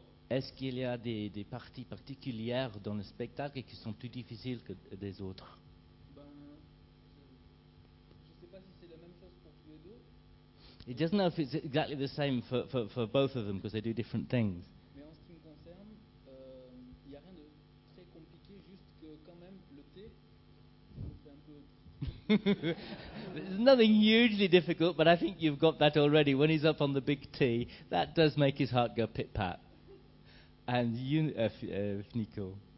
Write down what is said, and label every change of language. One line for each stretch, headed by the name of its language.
French: Est-ce qu'il y a des parties particulières dans le spectacle qui sont plus difficiles que des autres? Je ne sais pas si c'est la même chose pour tous les deux.
English: It doesn't know if it's exactly the same for both of them because they do different things.
French: Mais en ce qui me concerne, il n'y a rien de très compliqué, juste que quand même le T, c'est un peu.
English: There's nothing hugely difficult, but I think you've got that already. When he's up on the big T, that does make his heart go pit pat. And you, Nico.